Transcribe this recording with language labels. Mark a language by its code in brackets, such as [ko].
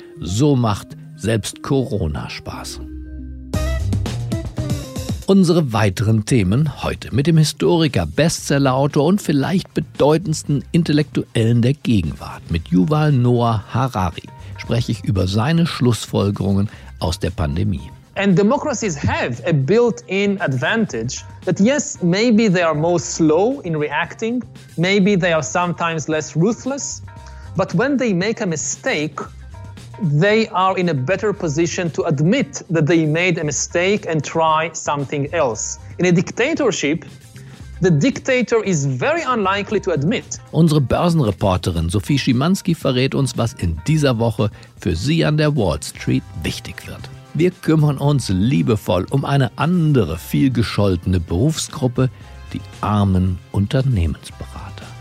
[de] So macht selbst Corona Spaß. Unsere weiteren Themen heute mit dem Historiker, Bestsellerautor und vielleicht bedeutendsten Intellektuellen der Gegenwart, mit Yuval Noah Harari, spreche ich über seine Schlussfolgerungen aus der Pandemie. [en] And democracies have a built-in advantage that yes, maybe they are more slow in reacting, maybe they are sometimes less ruthless, but when they make a mistake, they are in a better position to admit that they made a mistake and try something else. In a dictatorship, the dictator is very unlikely to admit. [de] Unsere Börsenreporterin Sophie Szymanski verrät uns, was in dieser Woche für Sie an der Wall Street wichtig wird. Wir kümmern uns liebevoll um eine andere vielgescholtene Berufsgruppe, die armen Unternehmensberater.